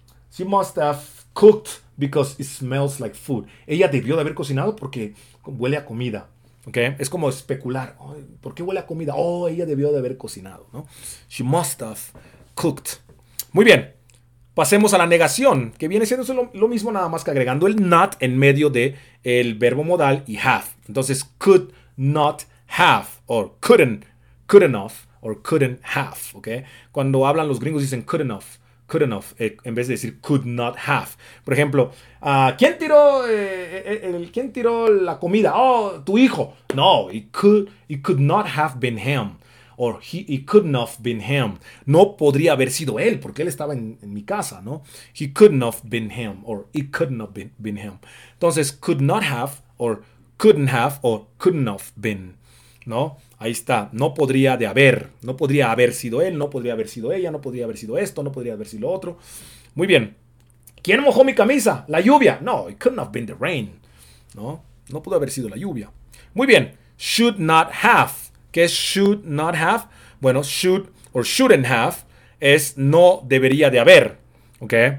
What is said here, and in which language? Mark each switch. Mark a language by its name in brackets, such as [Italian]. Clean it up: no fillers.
[English] She must have cooked because it smells like food. [Spanish] Ella debió de haber cocinado porque huele a comida. ¿Okay? Es como especular. Oh, ¿por qué huele a comida? Oh, ella debió de haber cocinado, ¿no? [English] She must have cooked. [Spanish] Muy bien. Pasemos a la negación, que viene siendo lo mismo, nada más que agregando el not en medio de el verbo modal y have. [English] Entonces, could not have, or could enough, or couldn't have, ¿ok? [Spanish] Cuando hablan los gringos dicen could enough, en vez de decir could not have. Por ejemplo, ¿quién tiró la comida? Oh, tu hijo. [English] No, it could not have been him, or he couldn't have been him. [Spanish] No podría haber sido él, porque él estaba en mi casa, ¿no? [English] He couldn't have been him, or it couldn't have been him. Entonces, could not have, or couldn't have, or couldn't have been. [Spanish] ¿No? Ahí está. No podría de haber. No podría haber sido él. No podría haber sido ella. No podría haber sido esto. No podría haber sido lo otro. Muy bien. ¿Quién mojó mi camisa? La lluvia. [English] No, it couldn't have been the rain. [Spanish] ¿No? No pudo haber sido la lluvia. Muy bien. Should not have. ¿Qué es should not have? Bueno, should or shouldn't have es no debería de haber. ¿Ok?